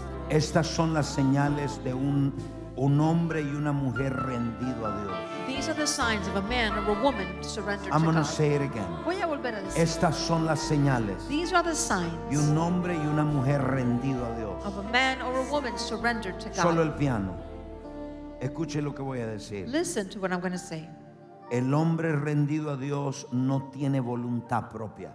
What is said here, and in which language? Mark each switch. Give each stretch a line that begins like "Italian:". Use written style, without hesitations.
Spanish: Estas son las señales de un hombre y una mujer rendido a Dios.
English: These are the signs of a man or a woman surrendered I'm to gonna God. Say it again.
Spanish: Voy a volver a decir. Estas son las señales.
English: These are the signs.
Spanish: De un hombre y una mujer rendido a Dios.
English: Of a man or a woman surrendered to God.
Spanish: Solo el piano. Escuche lo que voy a decir.
English: Listen to what I'm going to say.
Spanish: El hombre rendido a Dios no tiene voluntad propia.